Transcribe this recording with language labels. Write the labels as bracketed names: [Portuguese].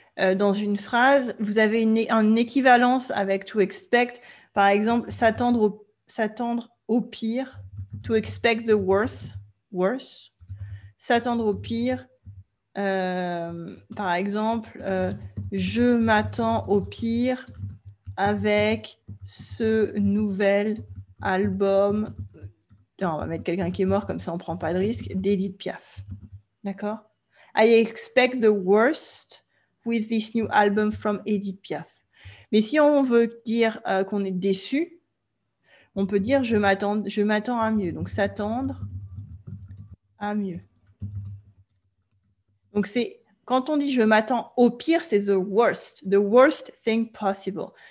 [French] dans une phrase, vous avez une équivalence avec to expect, par exemple, s'attendre au pire, [English] to expect the worst, [French] s'attendre au pire, par exemple, je m'attends au pire avec ce nouvel album. Non, on va mettre quelqu'un qui est mort, comme ça on ne prend pas de risque, d'Edith Piaf. D'accord ? [English] I expect the worst with this new album from Edith Piaf. [French] Mais si on veut dire qu'on est déçu, on peut dire je m'attends à mieux. Donc, s'attendre à mieux. Donc, c'est quand on dit je m'attends au pire, c'est [English] the worst thing possible.